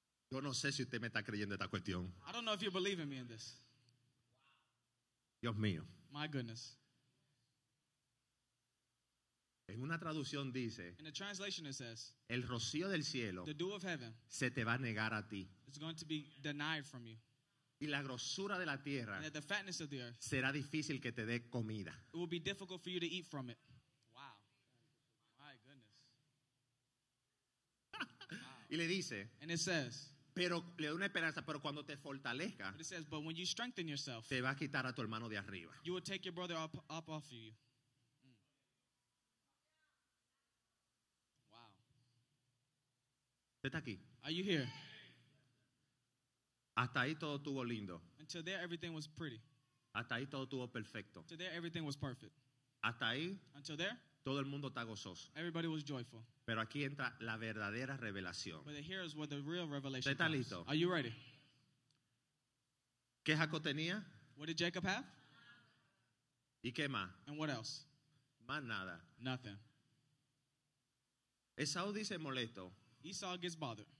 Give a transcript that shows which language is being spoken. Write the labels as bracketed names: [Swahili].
[Spanish] Yo no sé si usted me está creyendo esta cuestión. [English] I don't know if you believe in me in this. [Spanish] Dios mío. [English] My goodness. [Spanish] En una traducción dice, [English] in the translation it says, [Spanish] el rocío del cielo, [English] the dew of heaven, [Spanish] se te va a negar a ti. [English] It's going to be denied from you. [Spanish] Y la grosura de la tierra será difícil que te dé comida. [English] It will be difficult for you to eat from it. Wow. My goodness. [Spanish] Y le dice, [English] and it says, [Spanish] pero le da una esperanza, pero cuando te fortalezca, [English] it says, but when you strengthen yourself, [Spanish] te va a quitar a tu hermano de arriba. [English] You will take your brother up off of you. Wow. [Spanish] ¿Estás aquí? [English] Are you here? [Spanish] Hasta ahí todo estuvo lindo. [English] Until there everything was pretty. [Spanish] Hasta ahí todo estuvo perfecto. [English] Until there everything was perfect. [Spanish] Hasta ahí. [English] Until there. [Spanish] Todo el mundo está gozoso. [English] Everybody was joyful. [Spanish] Pero aquí entra la verdadera revelación. [English] But here is where the real revelation [Spanish] comes. ¿Está listo? [English] Are you ready? [Spanish] ¿Qué Jacob tenía? [English] What did Jacob have? [Spanish] ¿Y qué más? [English] And what else? [Spanish] Más nada. [English] Nothing. [Spanish] Esau dice molesto. [English] Esau gets bothered.